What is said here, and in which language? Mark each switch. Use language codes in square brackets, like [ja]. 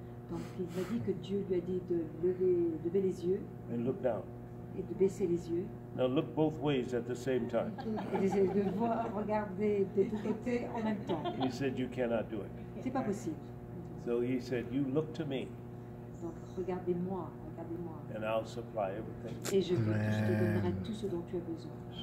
[fr] Donc, il m'a dit que Dieu lui a dit de lever les yeux. [en] And look down. [fr] Et de baisser les yeux. [en] Now look both ways at the same time. [fr] De voir, regarder des deux côtés en même temps. [en] He said, you cannot do it. [fr] C'est pas possible. [en] So he said, you look to me. [fr] Donc regardez-moi. [en] And I'll supply everything. [fr] Et je te donnerai tout ce dont tu as besoin.